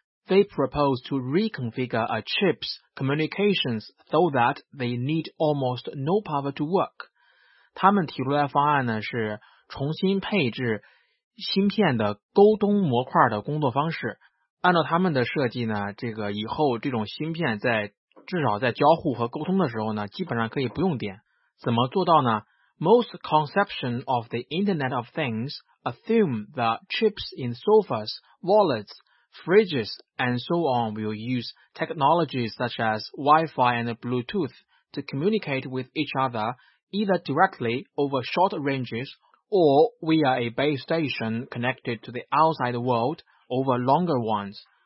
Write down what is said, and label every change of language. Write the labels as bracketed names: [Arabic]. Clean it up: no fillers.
[English] They propose to reconfigure a chip's communications so that they need almost no power to work. [Chinese] 他们提出来的方案呢，是重新配置芯片的沟通模块的工作方式。按照他们的设计呢，这个以后这种芯片在至少在交互和沟通的时候呢，基本上可以不用电。怎么做到呢？ [English] Most conception of the Internet of Things assume that chips in sofas, wallets,Fridges and so on will use technologies such as Wi-Fi and Bluetooth to communicate with each other either directly over short ranges or via a base station connected to the outside world over longer ones.